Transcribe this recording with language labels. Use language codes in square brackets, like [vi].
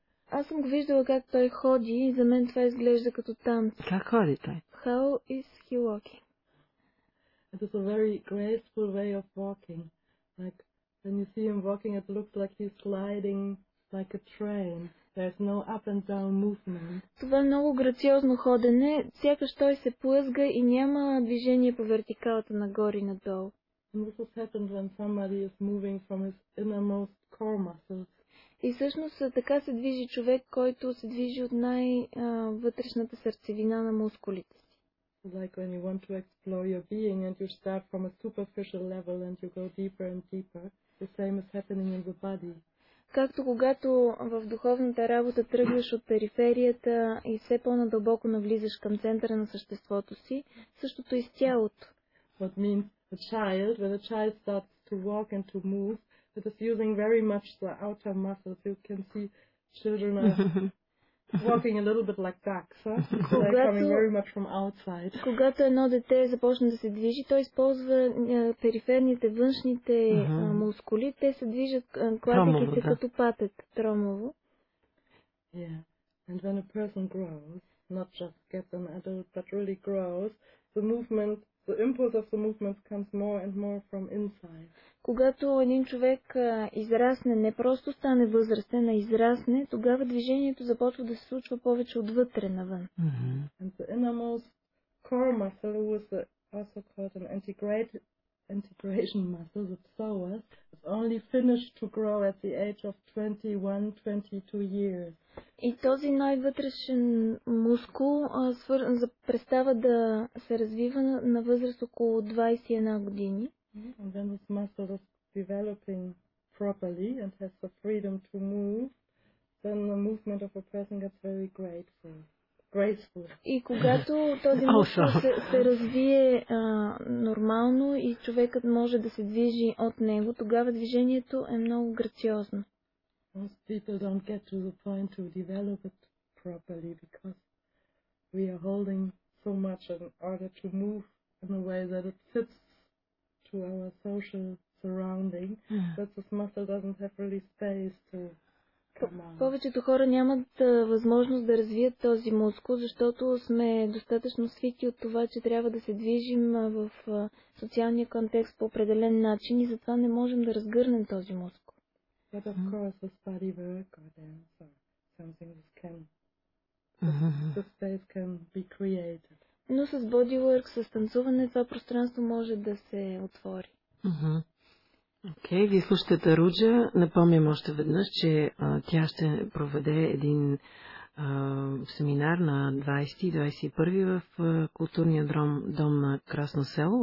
[bg] Аз съм го виждала как той ходи и за мен това изглежда като танц. Как ходи той? [en] How is he walking? It is a very graceful way of walking. Like, when you see him walking, it looks like he's gliding like a train. There's no up and down movement. [bg] Това е много грациозно ходене, сякаш той се плъзга и няма движение по вертикалата нагоре и надолу. [en] And this has happened when somebody is moving from his innermost core muscles. [bg] И всъщност така се движи човек, който се движи от най-вътрешната сърцевина на мускулите си. [en] Like when you want to explore your being and you start from a superficial level and you go deeper and deeper, the same is happening in the body. [bg] Както когато в духовната работа тръгваш от периферията и все по-надълбоко навлизаш към центъра на съществото си, същото и с тялото. [en] What means a child, when a child starts to walk and to move, it is using very much the outer muscles. You can see children are walking a little bit like ducks, huh? They are coming very much from outside. [bg] Когато едно дете започне да се движи, то използва периферните, външните мускули, те се движат кладиките като патет, тромово. [en] Yeah, and when a person grows, not just gets an adult, but really grows, the movement, the impulse of the movement comes more and more from inside. [bg] Когато един човек израсне, не просто стане възрастен, а израсне, тогава движението започва да се случва повече отвътре навън. [en] And the innermost core muscle, who is also called an integration muscle, the psoas, is only finished to grow at the age of 21-22 years. [bg] И този най-вътрешен мускул престава да се развива на възраст около 21 години. [en] And then this muscle is developing properly and has the freedom to move, then the movement of a person gets very grateful. [bg] И когато този мускул се развие нормално и човекът може да се движи от него, тогава движението е много грациозно. [en] Most people don't get to the point to develop it properly because we are holding so much in order to move in a way that it fits. to our social surrounding, but this muscle doesn't have really space to [bg] Повечето хора нямат възможност да развият този мускул, защото сме достатъчно свити от това, че трябва да се движим в социалния контекст по определен начин и затова не можем да разгърнем този мускул. [en] But of course, this body work or dance or something that can, the space can be created. [bg] Но с body work, с танцуване, това пространство може да се отвори. Окей, вие слушате Таруджа. Напомням още веднъж, че тя ще проведе един семинар на 20-21 в културния дом на Красно село.